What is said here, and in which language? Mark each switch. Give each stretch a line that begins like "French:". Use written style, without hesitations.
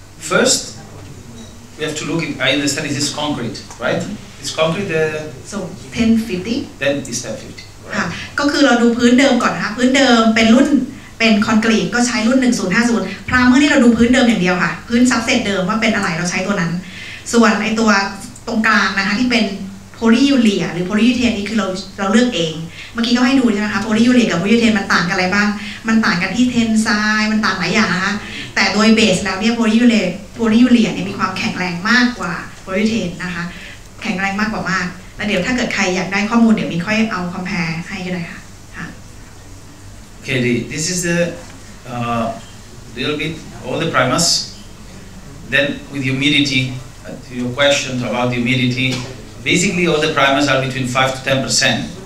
English: First we have to look at, I understand is this concrete right it's concrete the so 1050 then it's 1050 right
Thai: ก็คือเราดูพื้นเดิมก่อนนะคะพื้นเดิมเป็นรุ่นเป็นคอนกรีตก็ใช้รุ่น1050พรามเมอร์นี่เราดูพื้นเดิมอย่างเดียวค่ะพื้นซับเซตเดิมว่าเป็นอะไรเราใช้ตัวนั้นส่วนไอ้ตัวตรงกลางนะคะที่เป็นโพลิยูเรียหรือโพลิยูเทนนี่คือเราเลือกเองเมื่อกี้ก็ให้ดูใช่ไหมคะโพลิยูเรียกับโพลิยูเทนมันต่างกันอะไรบ้างมันต่างกันที่เทนไซมันต่างหลายอย่างนะคะแต่โดยเบสแล้วเนี่ยโพลิยูเ รียเนี่ยมีความแข็งแรงมากกว่าโพลิยูเทนนะคะแข็งแรงมากกว่ามากแล้วเดี๋ยวถ้าเกิดใครอยากได้ข้อมูลเดี๋ยวมีค่อยเอาคอมเพลตให้ก็ได้ค่ะ
English: Okay, this is the little bit, all the primers. Then with humidity, to your question about the humidity, basically all the primers are between 5-10%.